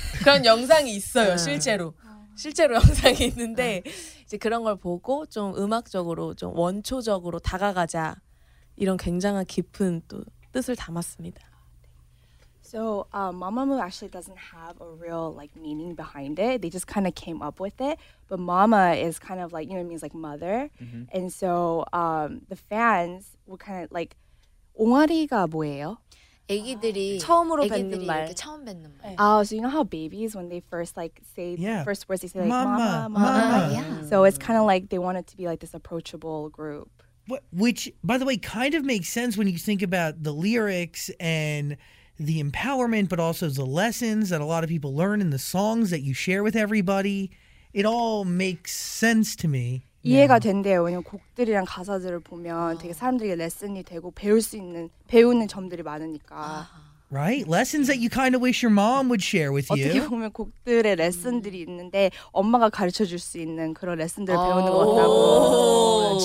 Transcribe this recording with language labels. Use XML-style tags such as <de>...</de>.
<ko>그런 영상이 있어요. 실제로 영상이 있는데 이제 그런 걸 보고 좀 음악적으로 좀 원초적으로 다가가자 이런 굉장한 깊은 또 뜻을 담았습니다.</ko> <en>So Mamamoo actually doesn't have a real like meaning behind it. They just kind of came up with it. But Mama is kind of like, you know, it means like mother. Mm-hmm. And so the fans were kind of like,</en> <ko>옹알이가 뭐예요? 애기들이 처음으로 뱉는 말. 처음 뱉는 말.</ko> <en>Oh, so you know how babies when they first like say the first words they say like mama. Yeah. So it's kind of like they wanted to be like this approachable group. Which by the way kind of makes sense when you think about the lyrics and the empowerment but also the lessons that a lot of people learn in the songs that you share with everybody. It all makes sense to me.</en> <ko>이해가 된대요. 왜냐면 곡들이랑 가사들을 보면 되게 사람들에게 레슨이 되고 배울 수 있는 배우는 점들이 많으니까.</ko> <en>Right? Lessons that you kind of wish your mom would share with you.</en> <ko>어떻게 보면 곡들의 레슨들이 있는데 엄마가 가르쳐 줄 수 있는 그런 레슨들을 배우는 것 같다고.</ko>